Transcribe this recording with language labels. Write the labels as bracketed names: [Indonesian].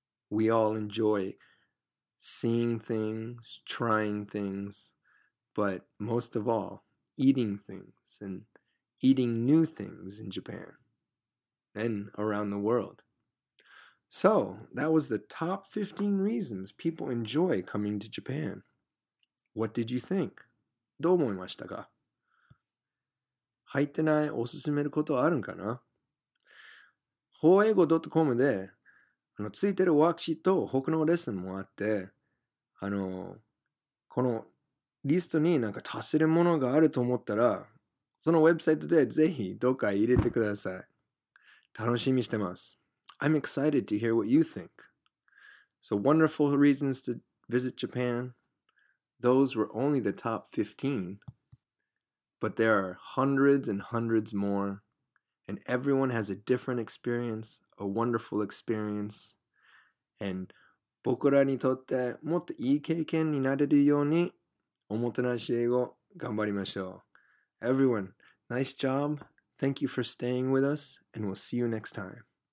[English] We all enjoy seeing things, trying things, but most of all, eating things and eating new things in Japan and around the world. So, that was the top 15 reasons people enjoy coming to Japan. What did you think? [Japanese] どう思いましたか? 入ってないおすすめることあるんかな?法英語 .com でついてるワークシート、他のレッスンもあって、このリストになんか足せるものがあると思ったら、そのウェブサイトでぜひどっか入れてください。楽しみしてます。 [English] I'm excited to hear what you think. So wonderful reasons to visit Japan. Those were only the top 15. But there are hundreds and hundreds more. And everyone has a different experience, a wonderful experience. [Japanese] And 僕らにとってもっといい経験になれるようにおもてなし英語頑張りましょう。 [English] Everyone, nice job. Thank you for staying with us, and we'll see you next time.